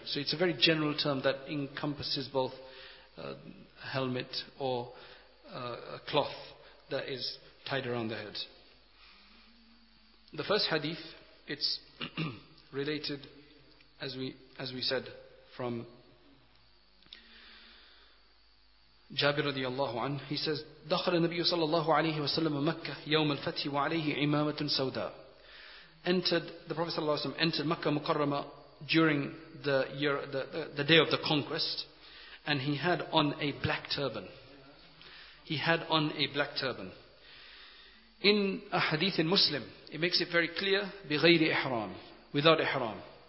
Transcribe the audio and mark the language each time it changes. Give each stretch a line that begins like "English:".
English: So it's a very general term that encompasses both helmet or a cloth that is tied around the head. The first hadith, it's related, as we said, from Jabir radiallahu anhu. He says,
Arabic: دخل النبي صلى الله عليه وسلم مكة يوم الفتح وعليه عمامة سوداء.
English: Entered the Prophet
Arabic: صلى الله عليه وسلم
English: entered مكة مكرمة during the day of the conquest. And he had on a black turban. He had on a black turban. In a hadith in Muslim, it makes it very clear,
Arabic: بغير إحرام,
English: without إحرام.